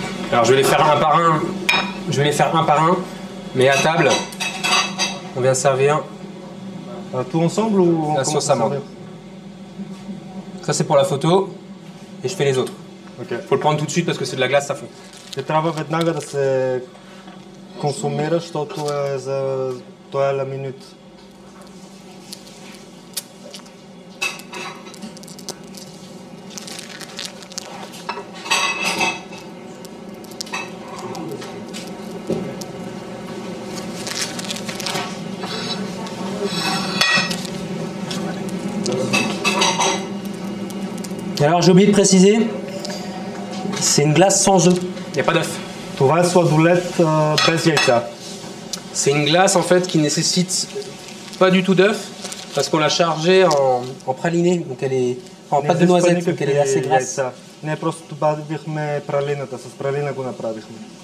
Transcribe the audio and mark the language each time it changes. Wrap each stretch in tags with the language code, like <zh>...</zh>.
<fr>Alors je vais les faire un par un. Je vais les faire un par un, mais à table, on vient servir tout ensemble ou la sauce amande. Ça c'est pour la photo et je fais les autres.</fr> <en>Okay.</en> <fr>Faut le prendre tout de suite parce que c'est de la glace, ça fond. Je travaille</fr> <bg>веднага да се консумира, защото е за тоя la minute.</bg> <fr>Alors j'ai oublié de préciser, c'est une glace sans œuf. Il n'y a pas d'œuf. Tu vas soit doulette, pas yaïta. C'est une glace en fait qui nécessite pas du tout d'œuf parce qu'on l'a chargée en praliné, donc elle est en pâte de noisette, donc elle est assez grasse.</fr> <bg>Не просто добавихме пралината, с пралина го направихме.</bg>